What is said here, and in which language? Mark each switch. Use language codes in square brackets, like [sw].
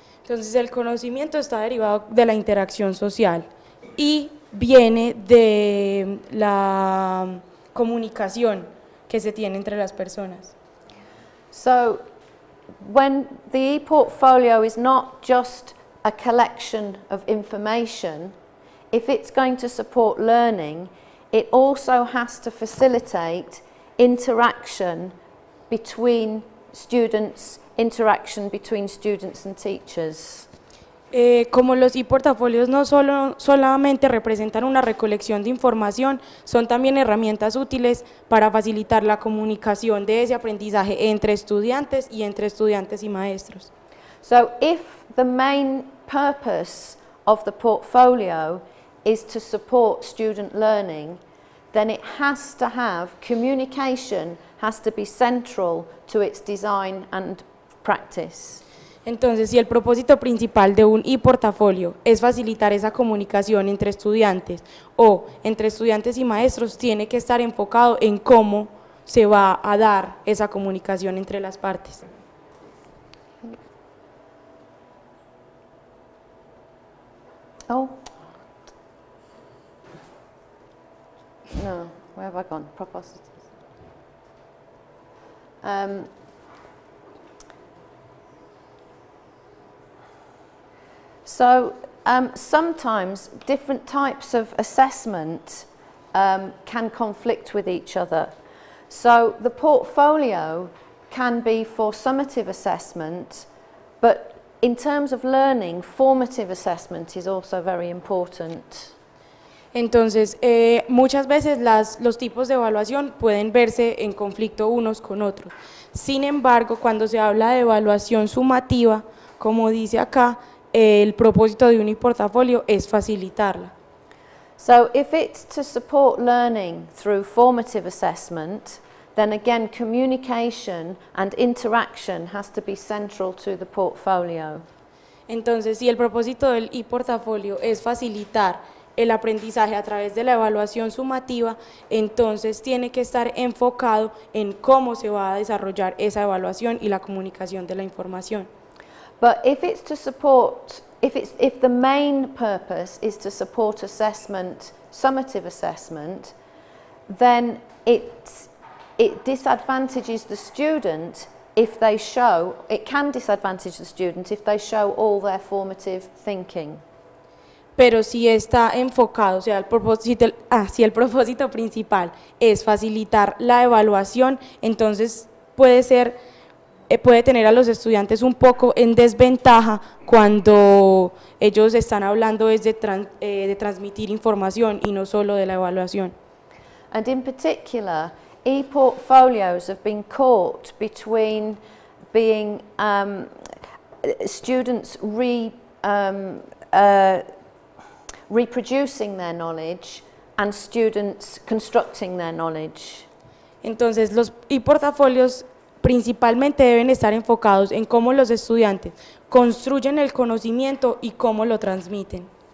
[es] Entonces el conocimiento está derivado de la interacción social y viene de la comunicación que se tiene entre las personas. [en] So when the e-portfolio is not just a collection of information, if it's going to support learning, it also has to facilitate interaction between students, interaction between students and teachers. [es] Como los e-portafolios no solamente representan una recolección de información, son también herramientas útiles para facilitar la comunicación de ese aprendizaje entre estudiantes y entre estudiantes y maestros. [en] So if the main purpose of the portfolio is to support student learning, then it has to have, communication has to be central to its design and practice. [es] Entonces, si el propósito principal de un e-portafolio es facilitar esa comunicación entre estudiantes o entre estudiantes y maestros, tiene que estar enfocado en cómo se va a dar esa comunicación entre las partes. Oh. [en] No, where have I gone? Propositions. Sometimes different types of assessment can conflict with each other. So the portfolio can be for summative assessment, but in terms of learning, formative assessment is also very important. [es] Entonces, muchas veces los tipos de evaluación pueden verse en conflicto unos con otros. Sin embargo, cuando se habla de evaluación sumativa, como dice acá, el propósito de un e-portafolio es facilitarla. [en] So if it's to support learning through formative assessment, then again communication and interaction has to be central to the portfolio. [es] Entonces, si el propósito del e-portafolio es facilitar el aprendizaje a través de la evaluación sumativa, entonces tiene que estar enfocado en cómo se va a desarrollar esa evaluación y la comunicación de la información. [en] But if it's to support, if the main purpose is to support assessment, summative assessment, then it disadvantages the student if they show, it can disadvantage the student if they show all their formative thinking. [es] Pero si está enfocado, o sea, si el propósito principal es facilitar la evaluación, entonces puede tener a los estudiantes un poco en desventaja cuando ellos están hablando es de transmitir información y no solo de la evaluación. [en] And in particular, e-portfolios have been caught between being students reproducing their knowledge and students constructing their knowledge. [es] Entonces, los e-portafolios principalmente deben estar enfocados en cómo los estudiantes construyen el conocimiento y cómo lo transmiten.